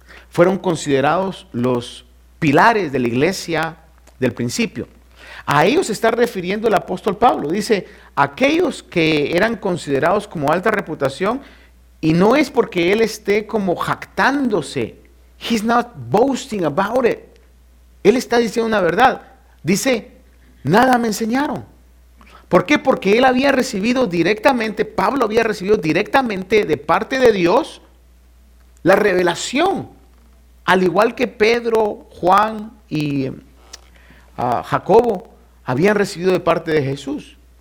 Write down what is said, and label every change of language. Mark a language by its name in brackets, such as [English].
[Spanish] Fueron considerados los pilares de la iglesia del principio. A ellos se está refiriendo el apóstol Pablo. Dice, aquellos que eran considerados como alta reputación, y no es porque él esté como jactándose. [English] He's not boasting about it. [Spanish] Él está diciendo una verdad. Dice, nada me enseñaron. ¿Por qué? Porque él había recibido directamente, Pablo había recibido directamente de parte de Dios la revelación. Al igual que Pedro, Juan y Jacobo habían recibido de parte de Jesús.